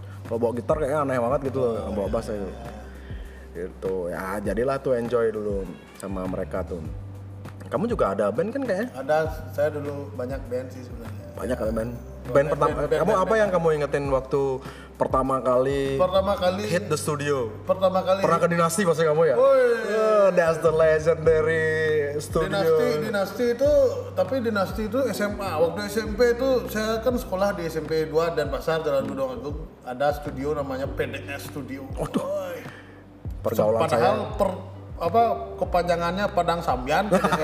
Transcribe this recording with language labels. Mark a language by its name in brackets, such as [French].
[Indonesian] Kalau bawa gitar kayaknya aneh banget gitu loh, bawa bass aja. Gitu ya, jadilah tuh enjoy dulu sama mereka tuh. Kamu juga ada band kan kayaknya? Ada, saya dulu banyak band sih sebenarnya. Banyak kali band. Band pertama, kamu ingetin waktu pertama kali? Pertama kali [English] hit the studio. [Indonesian] Pertama kali. Pernah ke Dinasti pasti kamu ya? Oh, iya. [English] That's the legendary studio. [Indonesian] Dinasti itu SMA. Waktu SMP itu saya kan sekolah di SMP 2 dan Pasar Jalan Gunung Agung. Ada studio namanya PDS Studio. Aduh. Pergaulan padahal saya. Kepanjangannya Padang Sambian itu.